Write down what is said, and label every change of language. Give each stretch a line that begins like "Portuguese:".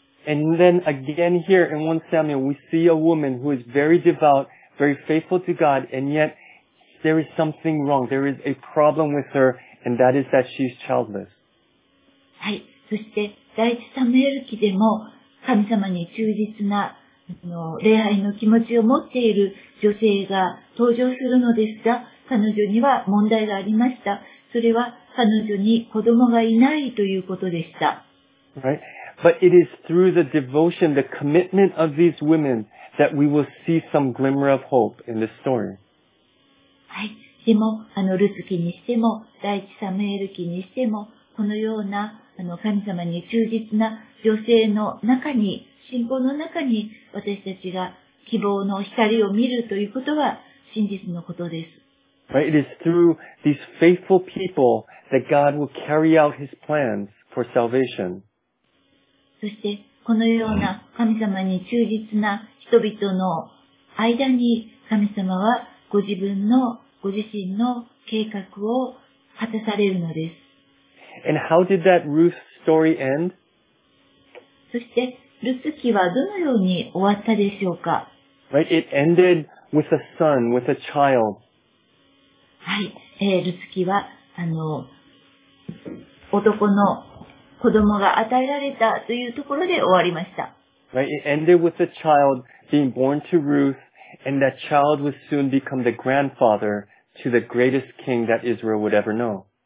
English: And then again here in 1 Samuel, we see a woman who is very devout, very faithful to God, and yet, there is something wrong. There is a problem with her, and that is that she's childless.
Japanese: はい。そして、第一サムエル記でも、神様に忠実な礼拝の気持ちを持っている女性が登場するのですが、彼女には問題がありました。それは彼女に子供がいないということでした。
English: Right. But it is through the devotion, the commitment of these women that we will see some glimmer of hope in this story.
Japanese: はい。でも、ルツ記にしても、第一サムエル記にしても、このような神様に忠実な女性の中に、信仰の中に、私たちが希望の光を見るということは真実のことです。
English: Right, it is through these faithful people that God will carry out His plans for salvation.
Japanese: そして、このような神様に忠実な人々の間に、神様はご自身の計画を果たされるのです。
English: And how did that Ruth story end?
Japanese: そして、ルツ記はどのように終わったでしょうか?
English: Right, it ended with a son, with a child.
Japanese: はい、ルツ記は、男の子供が与えられたというところで終わりました。
English: Right, it ended with a child being born to Ruth, and that child would soon become the grandfather to the greatest king that Israel would ever know.